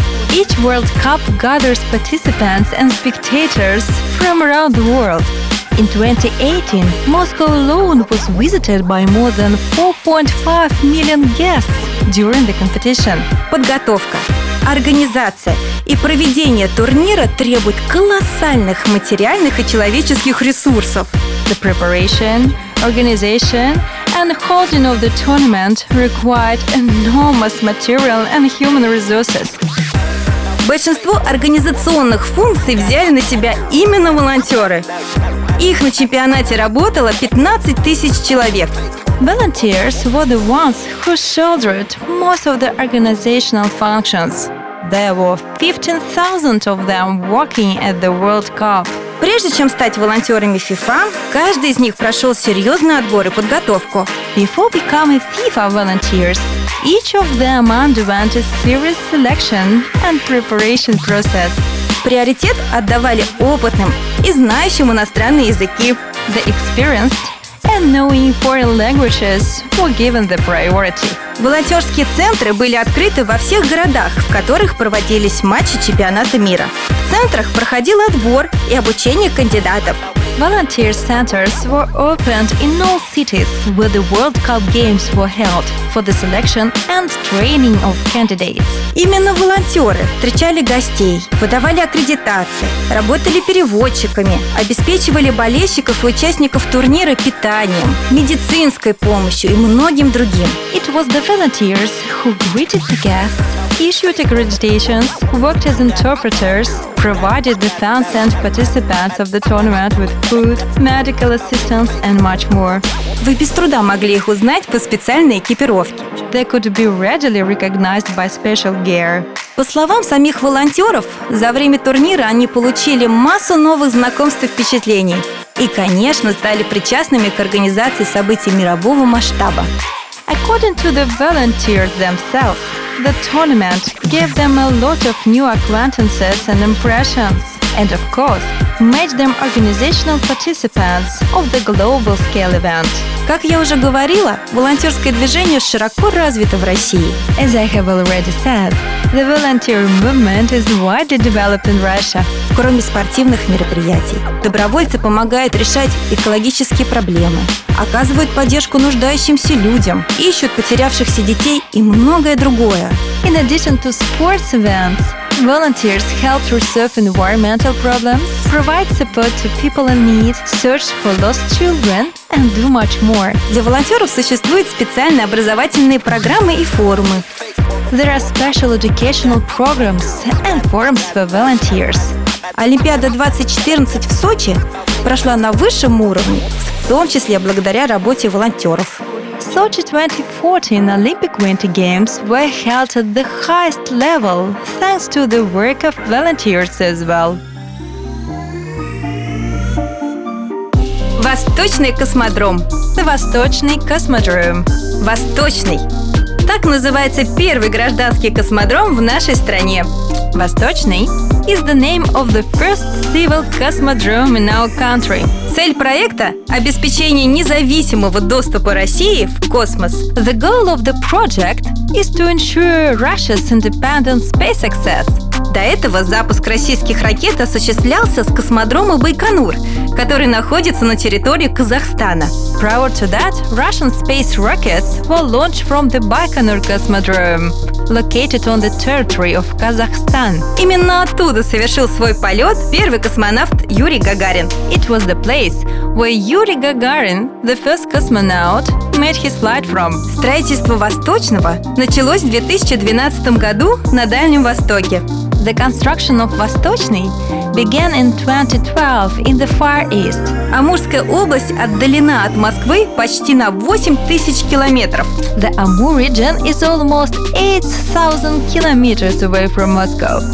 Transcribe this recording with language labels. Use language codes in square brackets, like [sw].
[en] Each World Cup gathers participants and spectators from around the world. In 2018, Moscow alone was visited by more than 4.5 million guests during the competition. [ru] Подготовка, организация и проведение турнира требуют колоссальных материальных и человеческих ресурсов. [en] The preparation, organization and holding of the tournament required enormous material and human resources. [ru] Большинство организационных функций взяли на себя именно волонтеры. Их на чемпионате работало 15 тысяч человек. [en] Volunteers were the ones who shouldered most of the organizational functions. There were 15,000 of them working at the World Cup. [ru] Прежде чем стать волонтерами FIFA, каждый из них прошел серьезный отбор и подготовку. [en] Before becoming FIFA volunteers, each of them underwent a serious selection and preparation process. [ru] Приоритет отдавали опытным и знающим иностранные языки. [en] The experienced and knowing foreign languages were given the priority. [ru] Волонтерские центры были открыты во всех городах, в которых проводились матчи чемпионата мира. В центрах проходил отбор и обучение кандидатов. [en] Volunteer centers were opened in all cities where the World Cup games were held for the selection and training of candidates. [ru] Именно волонтеры встречали гостей, выдавали аккредитации, работали переводчиками, обеспечивали болельщиков и участников турнира питанием, медицинской помощью и многим другим. [en] It was the volunteers who greeted the guests, issued accreditations, worked as interpreters, provided the fans and participants of the tournament with food, medical assistance and much more. [ru] Вы без труда могли их узнать по специальной экипировке. [en] They could be readily recognized by special gear. [ru] По словам самих волонтеров, за время турнира они получили массу новых знакомств и впечатлений. И, конечно, стали причастными к организации событий мирового масштаба. [en] According to the volunteers themselves, the tournament gave them a lot of new acquaintances and impressions, and of course, made them organizational participants of the global scale event. [ru] Как я уже говорила, волонтерское движение широко развито в России. [en] As I have already said, the volunteer movement is widely developed in Russia. [ru] Кроме спортивных мероприятий, добровольцы помогают решать экологические проблемы, оказывают поддержку нуждающимся людям, ищут потерявшихся детей и многое другое. [en] In addition to sports events, volunteers help resolve environmental problems, provide support to people in need, search for lost children, and do much more. [ru] Для волонтеров существуют специальные образовательные программы и форумы. [en] There are special educational programs and forums for volunteers. [ru] Олимпиада 2014 в Сочи прошла на высшем уровне, в том числе благодаря работе волонтеров. [en] Sochi 2014 Olympic Winter Games were held at the highest level thanks to the work of volunteers as well. [ru] Восточный космодром. The Восточный космодром. Восточный. Так называется первый гражданский космодром в нашей стране. [en] «Восточный» is the name of the first civil cosmodrome in our country. [ru] Цель проекта – обеспечение независимого доступа России в космос. [en] The goal of the project is to ensure Russia's independent space access. [ru] До этого запуск российских ракет осуществлялся с космодрома Байконур, который находится на территории Казахстана. [en] Prior to that, Russian space rockets were launched from the Baikonur Cosmodrome, located on the territory of Kazakhstan. [ru] Именно оттуда совершил свой полет первый космонавт Юрий Гагарин. [en] It was the place where Yuri Gagarin, the first cosmonaut, made his flight from. [ru] Строительство «Восточного» началось в 2012 году на Дальнем Востоке. [en] The construction of Восточный began in 2012 in the Far East. [ru] Амурская область отдалена от Москвы почти на 8000 километров. [en] The Amur region is almost 8000 kilometers away from Moscow.